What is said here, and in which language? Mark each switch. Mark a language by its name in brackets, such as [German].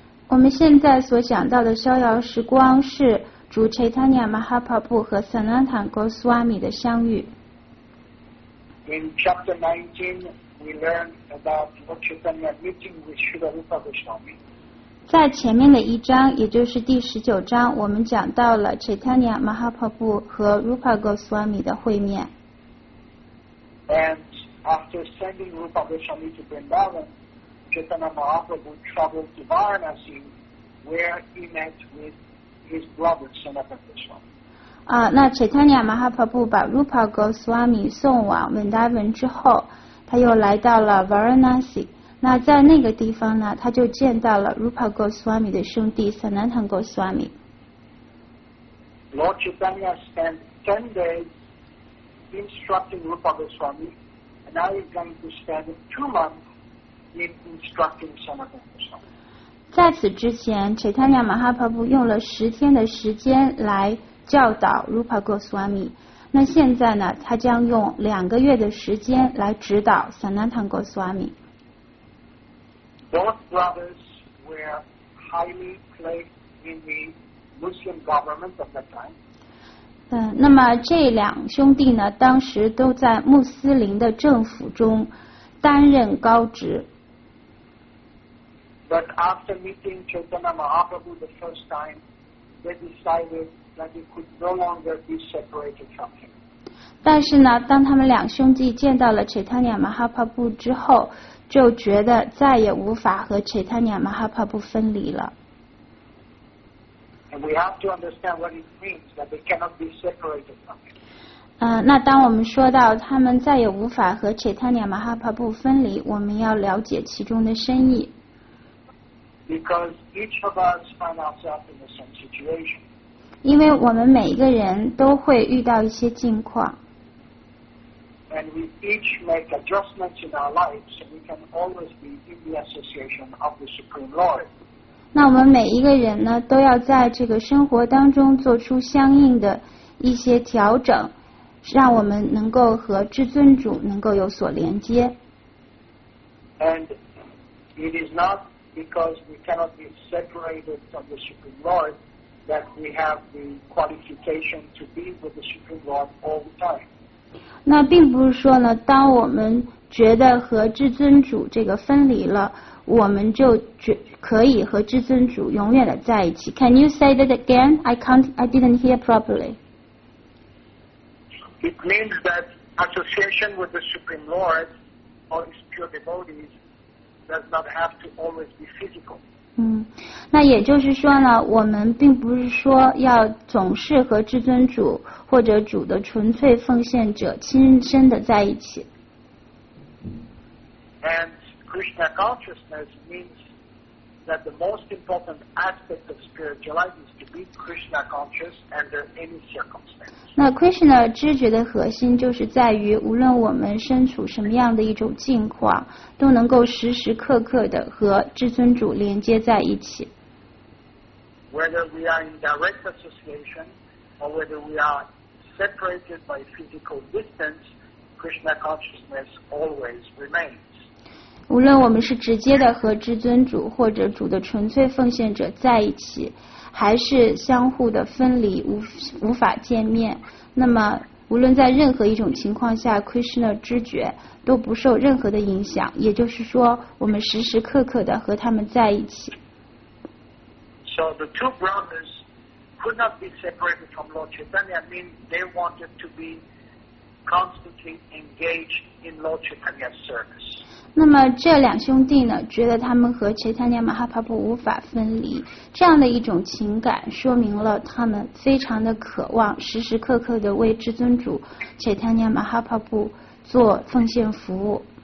[Chinese] 我们现在所讲到的逍遥时光是主 Chaitanya Mahaprabhu 和 Sanatana Goswami 的相遇。 [English] In chapter 19. We learn about Lord Chaitanya meeting with Sri Rupa Goswami. [Chinese] 在前面的一章，也就是第十九章，我们讲到了 Chaitanya Mahaprabhu 和 Rupa Goswami 的会面。 [English] And after sending Rupa Goswami to Vrindavan, Chaitanya Mahaprabhu traveled to Varanasi, where he met with his brother Sanatana Goswami. [Chinese] 那 Chaitanya Mahaprabhu 把 Rupa Goswami 送往 Vrindavan 之后。他又来到了 Varanasi， 那在那个地方呢，他就见到了 Rupa Goswami 的兄弟 Sanatana Goswami。 [English] Lord Chaitanya spent 10 days instructing Rupa Goswami, and now he's going to spend 2 months in instructing Sanatana Goswami。 [Chinese] 在此之前 ，Chaitanya Mahaprabhu 用了十天的时间来教导 Rupa Goswami。那现在呢，他将用两个月的时间来指导 Sanatana Goswami。 [English] Both brothers were highly placed in the Muslim government of that time. [Chinese] 那么这两兄弟呢，当时都在穆斯林的政府中担任高职。 [English] But after meeting Chaitanya Mahaprabhu the first time, they decided. That he could no longer be separated from him. [Chinese] 但是呢，当他们两兄弟见到了 Chaitanya Mahaprabhu 之后，就觉得再也无法和 Chaitanya Mahaprabhu 分离了。 [English] And we have to understand what it means that they cannot be separated from him. [Chinese] 那当我们说到他们再也无法和 Chaitanya Mahaprabhu 分离，我们要了解其中的深意。 [English] Because each of us find ourselves in the same situation. [Chinese] 因为我们每一个人都会遇到一些境况。 [English] And we each make adjustments in our lives, so we can always be in the association of the Supreme Lord. [Chinese] 那我们每一个人呢，都要在这个生活当中做出相应的一些调整，让我们能够和至尊主能够有所连接。 [English] And it is not because we cannot be separated from the Supreme Lord that we have the qualification to be with the Supreme Lord all the time. [Chinese] 那并不是说呢，当我们觉得和至尊主这个分离了。我们就可以和至尊主永远的在一起。 [English] Can you say that again? I didn't hear properly. It means that association with the Supreme Lord or His pure devotees does not have to always be physical. [Chinese] 那也就是说呢，我们并不是说要总是和至尊主或者主的纯粹奉献者亲身的在一起。 [English] Krishna consciousness means that the most important aspect of spirituality is to be Krishna conscious under any circumstance. [Chinese] 那 Krishna 知觉的核心就是在于，无论我们身处什么样的一种境况，都能够时时刻刻的和至尊主连接在一起。 [English] Whether we are in direct association or whether we are separated by physical distance, Krishna consciousness always remains. [Chinese] 无论我们是直接的和至尊主或者主的纯粹奉献者在一起，还是相互的分离无法见面，那么无论在任何一种情况下 ，Krishna 知觉都不受任何的影响，也就是说，我们时时刻刻的和他们在一起。 [English] So the two brothers could not be separated from Lord Chaitanya. I mean, they wanted to be constantly engaged in Lord Chaitanya's service. [Chinese] 那么这两兄弟呢，觉得他们和切塔尼亚马哈帕布无法分离，这样的一种情感说明了他们非常的渴望时时刻刻的为至尊主切塔尼亚马哈帕布做奉献服务。